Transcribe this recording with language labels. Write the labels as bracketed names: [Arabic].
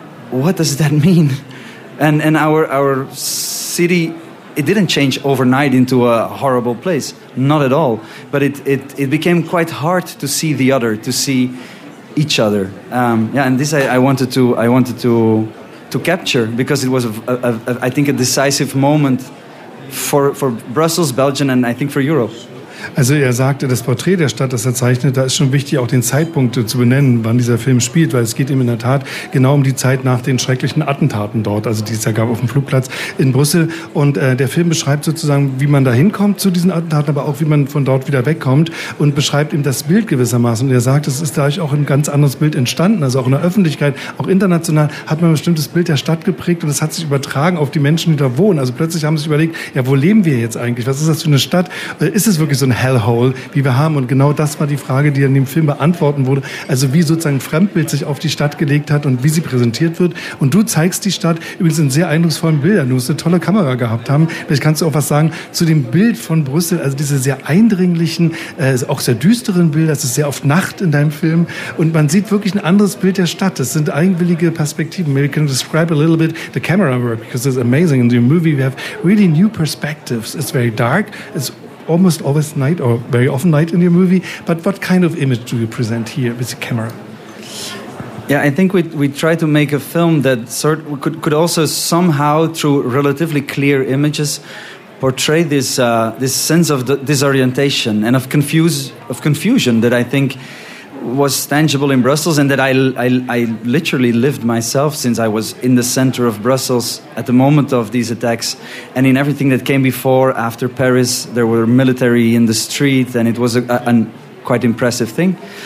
[English] What does that mean? And our city, it didn't change overnight into a horrible place. Not at all. But it became quite hard to see the other, to see each other. I wanted to capture because it was a decisive moment for Brussels, Belgium, and I think for Europe. [German] Also er sagte, das Porträt der Stadt, das er zeichnet, da ist schon wichtig, auch den Zeitpunkt zu benennen, wann dieser Film spielt, weil es geht ihm in der Tat genau um die Zeit nach den schrecklichen Attentaten dort, also die es da gab auf dem Flugplatz in Brüssel. Und der Film beschreibt sozusagen, wie man da hinkommt zu diesen Attentaten, aber auch, wie man von dort wieder wegkommt und beschreibt ihm das Bild gewissermaßen. Und er sagt, es ist dadurch auch ein ganz anderes Bild entstanden, also auch in der Öffentlichkeit, auch international hat man ein bestimmtes Bild der Stadt geprägt und es hat sich übertragen auf die Menschen, die da wohnen. Also plötzlich haben sie sich überlegt, ja, wo leben wir jetzt eigentlich? Was ist das für eine Stadt? Ist es wirklich so ein Hellhole, wie wir haben. Und genau das war die Frage, die in dem Film beantworten wurde. Also wie sozusagen Fremdbild sich auf die Stadt gelegt hat und wie sie präsentiert wird. Und du zeigst die Stadt übrigens in sehr eindrucksvollen Bildern. Du musst eine tolle Kamera gehabt haben. Vielleicht kannst du auch was sagen zu dem Bild von Brüssel. Also diese sehr eindringlichen, auch sehr düsteren Bilder. Das ist sehr oft Nacht in deinem Film. Und man sieht wirklich ein anderes Bild der Stadt. Das sind eigenwillige Perspektiven. [English] Maybe you can describe a little bit the camera work, because it's amazing. In the movie we have really new perspectives. It's very dark. It's almost always night or very often night in your movie, but what kind of image do you present here with the camera? Yeah, I think we try to make a film that sort could also somehow through relatively clear images portray this this sense of disorientation and of confusion that I think was tangible in Brussels and that I literally lived myself since I was in the center of Brussels at the moment of these attacks and in everything that came before, after Paris, there were military in the street and it was a quite impressive thing.